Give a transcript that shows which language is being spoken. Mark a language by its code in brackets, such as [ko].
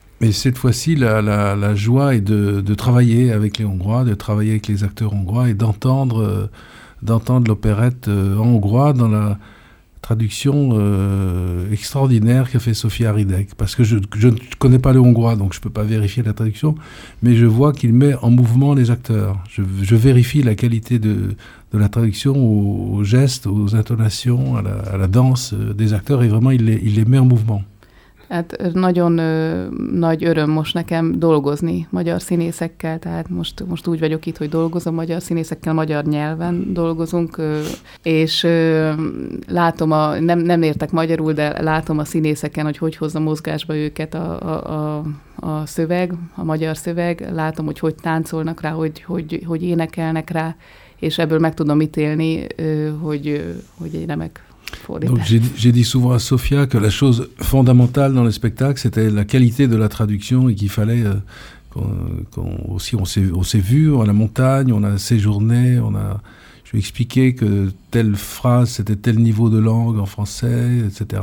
[fr] Et cette fois-ci, la joie est de travailler avec les Hongrois, de travailler avec les acteurs hongrois, et d'entendre l'opérette en hongrois dans la traduction extraordinaire qu'a fait Sophia Rydek, parce que je ne connais pas le hongrois, donc je ne peux pas vérifier la traduction, mais je vois qu'il met en mouvement les acteurs. Je vérifie la qualité de la traduction aux gestes, aux intonations, à la danse des acteurs, et vraiment, il les met en mouvement. [hu] Hát nagyon nagy öröm most nekem dolgozni magyar színészekkel, tehát most úgy vagyok itt, hogy dolgozom magyar színészekkel, magyar nyelven dolgozunk, és látom, nem értek magyarul, de látom a színészeken, hogy hozza mozgásba őket a szöveg, a magyar szöveg, látom, hogy táncolnak rá, hogy énekelnek rá, és ebből meg tudom ítélni, hogy egy remek. [fr] Donc j'ai dit souvent à Sophia que la chose fondamentale dans le spectacle, c'était la qualité de la traduction et qu'il fallait qu'on s'est vu à la montagne, on a séjourné, je lui ai expliqué que telle phrase, c'était tel niveau de langue en français, etc.